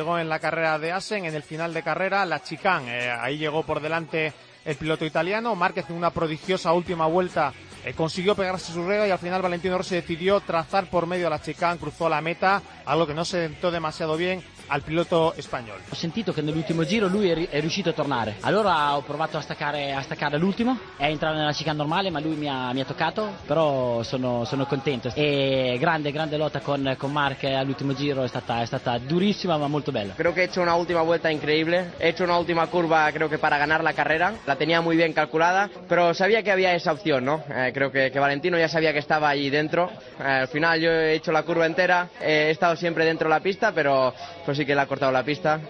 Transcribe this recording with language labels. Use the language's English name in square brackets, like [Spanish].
[Spanish] Llegó en la carrera de Assen, en el final de carrera, la chicane. Ahí llegó por delante el piloto italiano. Márquez, en una prodigiosa última vuelta, consiguió pegarse su rega y al final Valentino Rossi decidió trazar por medio a la chicane, cruzó la meta, algo que no sentó demasiado bien al piloto español. [Italian] Ho sentito che nell'ultimo giro lui è riuscito a tornare. Allora ho provato a staccare l'ultimo e a entrare nella chicane normale, ma lui mi ha toccato, però sono contento. E grande lotta con Marc all'ultimo giro, è stata durissima ma molto bella. [Spanish] Creo que he hecho una última vuelta increíble. He hecho una última curva, creo que para ganar la carrera. La tenía muy bien calculada, pero sabía que había esa opción, ¿no? Creo que Valentino ya sabía que estaba ahí dentro. Al final yo he hecho la curva entera, he estado siempre dentro de la pista, pero pues sí que le ha cortado la pista.